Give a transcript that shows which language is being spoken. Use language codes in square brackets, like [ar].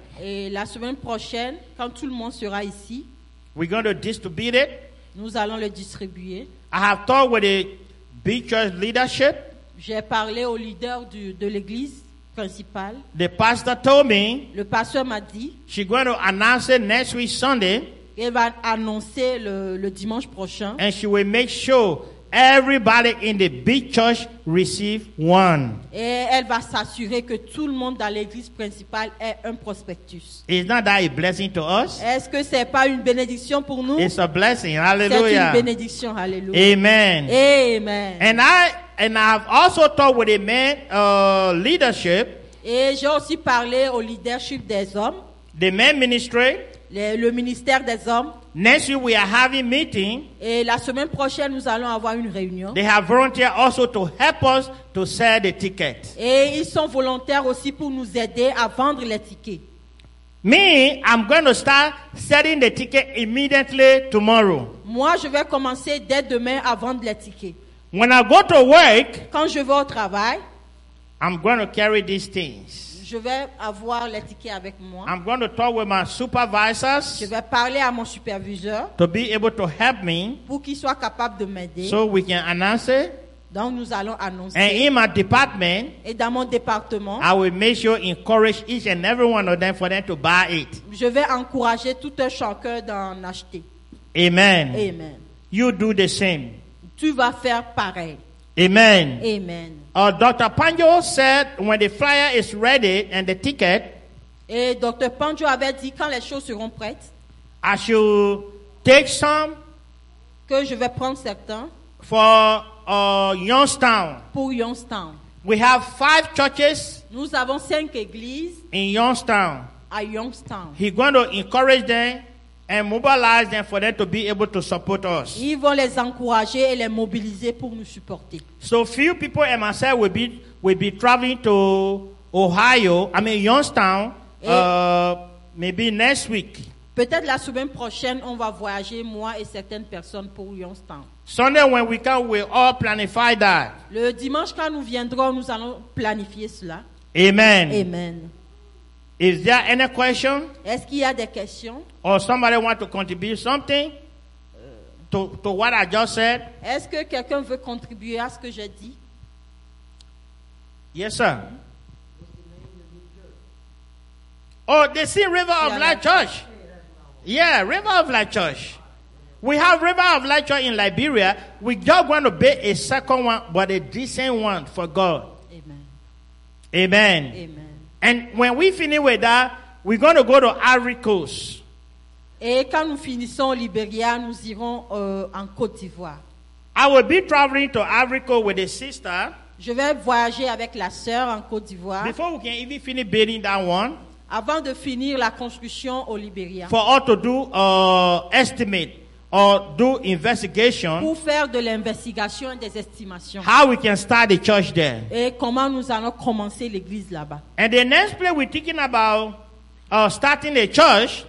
[fr] et la semaine prochaine, quand tout le monde sera ici, [en] we're going to distribute it. [fr] Nous allons le distribuer. [en] I have talked with the big church leadership. [fr] J'ai parlé au leader de l'église principale. [en] The pastor told me. [fr] Le pasteur m'a dit. [en] She's going to announce it next week Sunday. [fr] Elle va annoncer le dimanche prochain. [en] And she will make sure everybody in the big church receive one. [fr] Et elle va s'assurer que tout le monde dans l'église principale ait un prospectus. [en] Is not that a blessing to us? [fr] Est-ce que c'est pas une bénédiction pour nous? [en] It's a blessing. Hallelujah. [fr] C'est une bénédiction. Hallelujah. [en] Amen. Amen. And I have also talked with the men leadership. [fr] Et j'ai aussi parlé au leadership des hommes. [en] The men ministry. [fr] Le ministère des hommes. [en] Next week we are having meeting. [fr] Et la semaine prochaine nous allons avoir une réunion. [en] They have volunteered also to help us to sell the tickets. [fr] Et ils sont volontaires aussi pour nous aider à vendre les tickets. [en] Me, I'm going to start selling the ticket immediately tomorrow. [fr] Moi, je vais commencer dès demain à vendre les tickets. [en] When I go to work, [fr] quand je vais au travail, [en] I'm going to carry these things. [fr] Je vais avoir les tickets avec moi. [en] I'm going to talk with my supervisors. [fr] Je vais parler à mon superviseur. [en] To be able to help me. [fr] Pour qu'il soit capable de m'aider. [en] So we can announce it. [fr] Donc nous allons annoncer. [en] And in my department. [fr] Et dans mon département. [en] I will make sure encourage each and every one of them for them to buy it. [fr] Je vais encourager tout un chacun d'en acheter. [en] Amen. Amen. You do the same. [fr] Tu vas faire pareil. [en] Amen. Amen. Dr. Panjo said when the flyer is ready and the ticket. [fr] Et Dr. Panjo avait dit quand les choses seront prêtes. [en] I should take some. [fr] Que je vais prendre certains. [en] For Youngstown. [fr] Pour Youngstown. [en] We have 5 churches. [fr] Nous avons 5 églises. [en] In Youngstown. [fr] À Youngstown. [en] He's going to encourage them and mobilize them for them to be able to support us. [fr] Ils vont les encourager et les mobiliser pour nous supporter. [en] So few people and myself will be traveling to Ohio. I mean Youngstown. Maybe next week. [fr] Peut-être la semaine prochaine, on va voyager moi et certaines personnes pour Youngstown. [en] Sunday when we come, we all planify that. [fr] Le dimanche quand nous viendrons, nous allons planifier cela. [en] Amen. Amen. Is there any question? Est-ce qu'il y a des questions? Or somebody want to contribute something to what I just said? Est-ce que quelqu'un veut contribuer à ce que j'ai dit? Yes, sir. Oh, they see River of Light Church. Yeah, River of Light Church. We have River of Light Church in Liberia. We just want to build a second one, but a decent one for God. Amen. Amen. Amen. And when we finish with that, we're going to go to Ivory Coast. [fr] Et quand nous finissons au Liberia, nous irons en Côte d'Ivoire. [en] I will be traveling to Ivory Coast with a sister. [fr] Je vais voyager avec la sœur en Côte d'Ivoire. [en] Before we can even finish building that one. [fr] Avant de finir la construction au Liberia. [en] For us to do estimate or do investigation. [fr] Pour faire de l'investigation et des estimations. [en] How we can start the church there. [fr] Et comment nous allons commencer l'église là-bas. [en] And the next place we're thinking about starting a church.